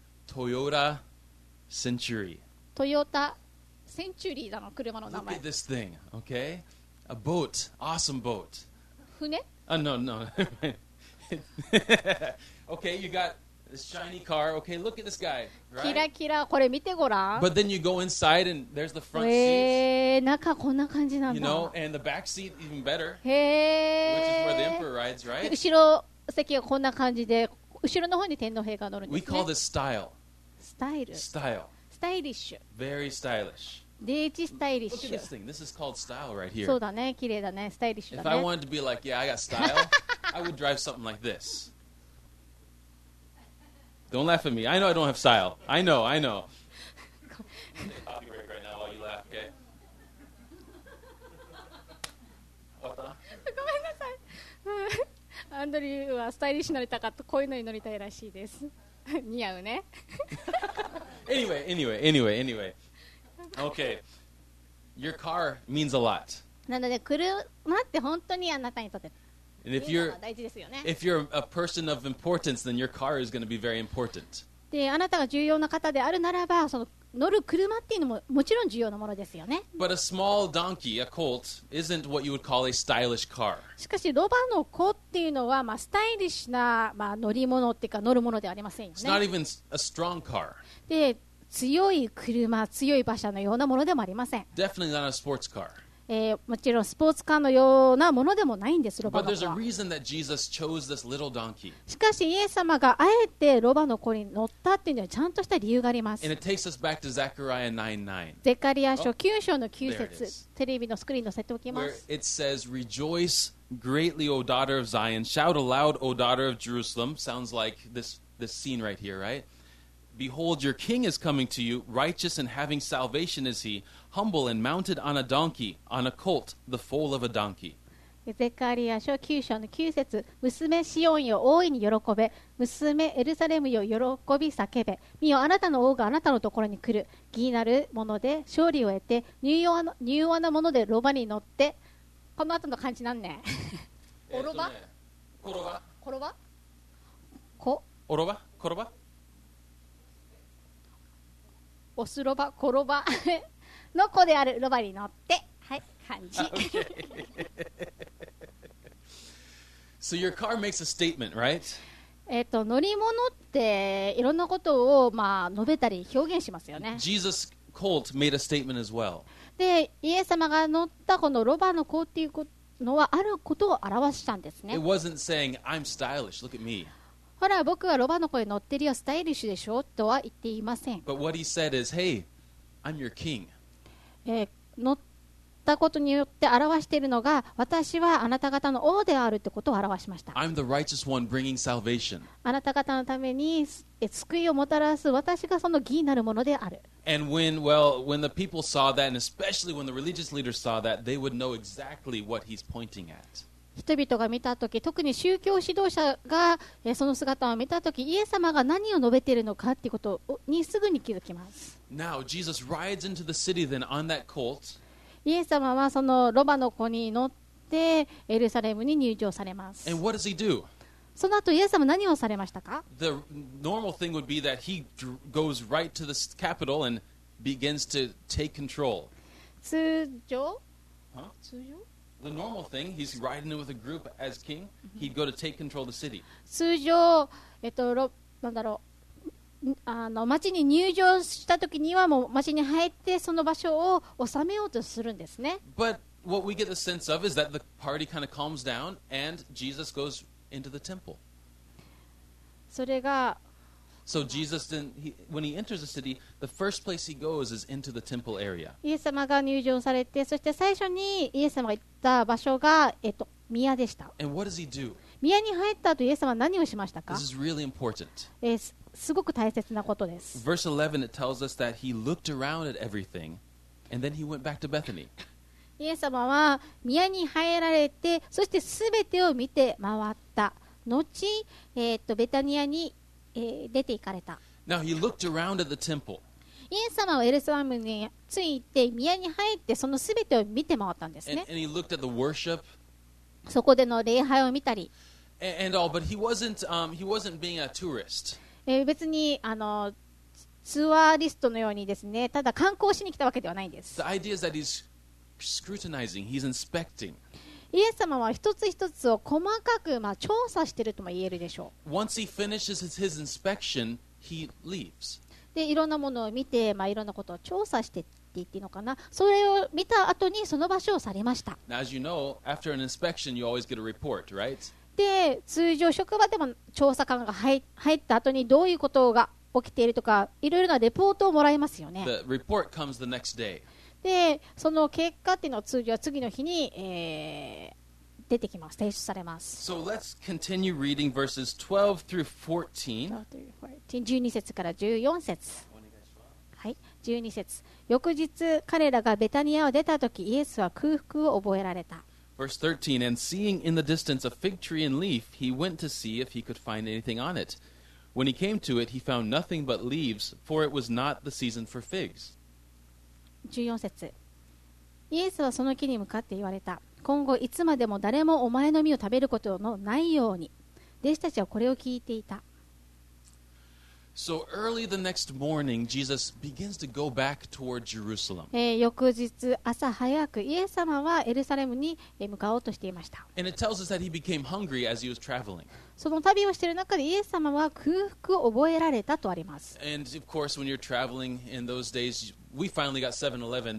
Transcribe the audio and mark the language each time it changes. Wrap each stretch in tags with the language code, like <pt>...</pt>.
<en>Toyota. Century.</en> <ja>Toyota Century だの車の名前。</ja> <en>Look at this thing, okay? A boat, awesome boat.</en> <ja>船?</ja> <en>No, no. okay, you got This shiny car. Okay, look at this guy.</en> <ja>キラキラ、これ見てごらん。</ja> <en>But then you go inside and there's the front seat.</en> <ja>中こんな感じなんだ。</ja> <en>You know, and the back seat even better.</en> <ja>へえ。</ja> <en>Which is where the emperor rides, right?</en> <ja>後ろ席がこんな感じで、後ろの方に天皇陛下が乗るんですね。</ja> <en>We call this style. Style. Style. Stylish. Very stylish.</en> <ja>デイジスタイリッシュ。</ja> <en>Look at this thing. This is called style right here.</en> <ja>そうだね、綺麗だね、スタイリッシュだね。</ja> <en>If I wanted to be like, yeah, I got style, I would drive something like this. Don't laugh at me. I know I don't have style. I know, I know. Take a coffee break right now while you laugh, okay?</en> <ja>ごめんなさい。アンドリューはスタイリッシュ乗りたかった。こういうのに乗りたいらしいです。似合うね。</ja> <en>Anyway. Okay, your car means a lot.</en> <ja>なので車って本当にあなたにとって大事ですよね。</ja> <en>If you're a person of importance, then your car is going to be very important.</en> <ja>で、あなたが重要な方であるならば、その乗る車っていうのももちろん重要なものですよね。</ja> <en>But a small donkey, a colt, isn't what you would call a stylish car.</en> <ja>しかし、ロバの子っていうのは、まあ、スタイリッシュな、まあ、乗り物っていうか乗るものではありませんよね。</ja> <en>It's not even a strong car.</en> <ja>で強い車、強い馬車のようなものでもありません。</ja> <en>Definitely not a sports car.</en> <ja>もちろんスポーツカーのようなものでもないんです、ロバの子は。</ja> <en>But there's a reason that Jesus chose this little donkey.</en> <ja>しかし、イエス様があえてロバの子に乗ったっていうのはちゃんとした理由があります。</ja> <en>And it takes us back to Zechariah 9:9.</en> <ja>ゼカリア書9章の9節、テレビのスクリーンに載せておきます。</ja> <en>Where it says, Rejoice greatly, O daughter of Zion. Shout aloud, O daughter of Jerusalem. Sounds like this scene right here, right? Behold, your king is coming to you, righteous and having salvation is he, humble and mounted on a donkey, on a colt, the foal of a donkey.</en> <ja>ゼカリア書9章の9節、娘シオンよ大いに喜べ、娘エルサレムよ喜び叫べ、見よあなたの王があなたのところに来る、義なるもので勝利を得て、柔和なものでロバに乗って、この後の感じなんね。オロバ？コロバ？コロバ？コ？オロバ？コロバ？オスロバ、コロバの子であるロバに乗って、はい、感じ。</ja> <en>Okay. So your car makes a statement, right?</en> <ja>乗り物っていろんなことを、まあ、述べたり表現しますよね。</ja> <en>Jesus' colt made a statement as well.</en> <ja>で、イエス様が乗ったこのロバの子っていうのはあることを表したんですね。</ja> <en>It wasn't saying, I'm stylish, look at me.</en> <ja>ほら僕はロバの子に乗ってるよスタイリッシュでしょとは言っていません。</ja> <en>But what he said is, hey, I'm your king.</en> <ja>乗ったことによって表しているのが私はあなた方の王であるってことを表しました。</ja> <en>I'm the righteous one bringing salvation.</en> <ja>あなた方のために救いをもたらす私がその義なるものである。</ja> <en>And when, well, when the people saw that, and especially when the religious leaders saw that, they would know exactly what he's pointing at.</en> <ja>人々が見たとき、特に宗教指導者がその姿を見たとき、イエス様が何を述べているのかということにすぐに気づきます。</ja> <en>Now, Jesus rides into the city, then on that colt,</en> <ja>イエス様はそのロバの子に乗ってエルサレムに入場されます。</ja> <en>And what does he do?</en> <ja>その後、イエス様は何をされましたか?</ja> <en>The normal thing would be that he goes right to the capital and begins to take control.</en> <ja>通常? Huh? 通常?</ja> <en>The normal thing, he's riding with a group as king, he'd go to take control of the city.</en> <ja>通常、なんだろう、町に入場した時にはもう町に入ってその場所を治めようとするんですね。</ja> <en>But what we get the sense of is that the party kind of calms down and Jesus goes into the temple.</en> <ja>それが…</ja> <en>So Jesus, then, when he enters the city, the first place he goes is into the temple area.</en> <ja>イエス様が入場されて、そして最初にイエス様が行った場所が、宮でした。</ja> <en>And what does he do?</en> <ja>宮に入った後、イエス様は何をしましたか?</ja> <en>This is really important.</en> <ja>すごく大切なことです。</ja> <en>Verse 11, it tells us that he looked around at everything, and then he went back to Bethany.</en> <ja>イエス様は宮に入られて、そしてすべてを見て回った。後、ベタニアに出て行かれた。</ja> <en>Now he looked around at the temple.</en> <ja>イエス様はエルサレムについて宮に入ってそのすべてを見て回ったんですね。</ja> <en>And he looked at the worship.</en> <ja>そこでの礼拝を見たり。</ja> <en>And all, but he wasn't being a tourist.</en> <ja>別にツアーリストのようにですね、ただ観光しに来たわけではないんです。</ja> <en>The idea is that he's scrutinizing, he's inspecting.</en> <ja>イエス様は一つ一つを細かく、まあ、調査しているとも言えるでしょう。</ja> <en>Once he finishes his inspection, he leaves.</en> <ja>で、いろんなものを見て、まあ、いろんなことを調査してって言っていいのかな。それを見た後にその場所を去りました。</ja> <en>Now, as you know, after an inspection, you always get a report, right?</en> <ja>で、通常職場でも調査官が入った後にどういうことが起きているとか、いろいろなレポートをもらいますよね。</ja> <en>The report comes the next day.</en> <ja>でその結果っていうのは通常は次の日に、出てきます、提出されます。</ja> <en>So let's continue reading verses 12 through 14.</en> <ja>12節から14節。はい、12節。翌日彼らがベタニアを出た時、イエスは空腹を覚えられた。</ja> <en>Verse 13, and seeing in the distance a fig tree and leaf, he went to see if he could find anything on it. When he came to it, he found nothing but leaves, for it was not the season for figs.</en> <ja>14節。イエスはその木に向かって言われた。今後いつまでも誰もお前の実を食べることのないように。弟子たちはこれを聞いていた。</ja> <en>So early the next morning, Jesus begins to go back toward Jerusalem.</en> <ja>翌日朝早くイエス様はエルサレムに向かおうとしていました。</ja> <en>And it tells us that he became hungry as he was traveling.</en> <ja>その旅をしている中でイエス様は空腹を覚えられたとあります。</ja> <en>And of course, when you're traveling in those days, we finally got 7-Eleven.</en>